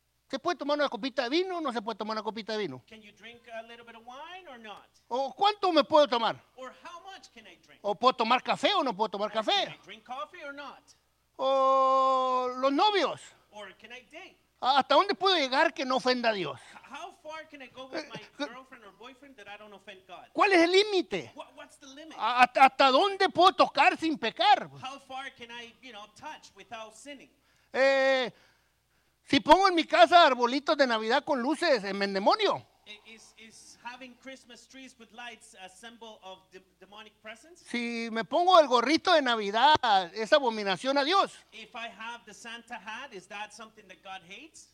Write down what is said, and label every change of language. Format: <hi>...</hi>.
<es>¿se puede tomar una copita de vino o no se puede tomar una copita de vino?</es> <en>Can you drink a little bit of wine or not?</en> <es>¿O cuánto me puedo tomar?</es> <en>Or how much can I drink?</en> <es>¿O puedo tomar café o no puedo tomar café?</es> <en>Can I drink coffee or not?</en> <es>¿O los novios?</es> <en>Or can I date?</en> <es>¿Hasta dónde puedo llegar que no ofenda a Dios?</es> <en>How far can I go with my girlfriend or boyfriend that I don't offend God?</en> <es>¿Cuál es el límite?</es> <en>What's the limit?</en> <es>¿Hasta dónde puedo tocar sin pecar?</es> <en>How far can I, you know, touch without sinning?</en> <es>Si pongo en mi casa arbolitos de Navidad con luces, me endemonio.</es> <en>Is having Christmas trees with lights a symbol of demonic presence?</en> <es>Si me pongo el gorrito de Navidad, es abominación a Dios.</es> <en>If I have the Santa hat, is that something that God hates?</en>